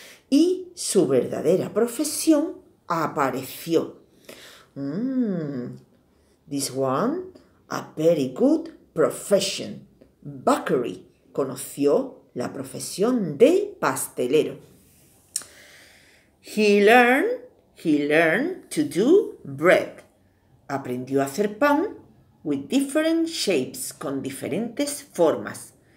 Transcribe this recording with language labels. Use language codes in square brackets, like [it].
[es] Y su verdadera profesión apareció. [en] This one, a very good profession. Bakery. [es] Conoció la profesión de pastelero. [en] He learned to do bread. [es] Aprendió a hacer pan [en] with different shapes, [es] con diferentes formas.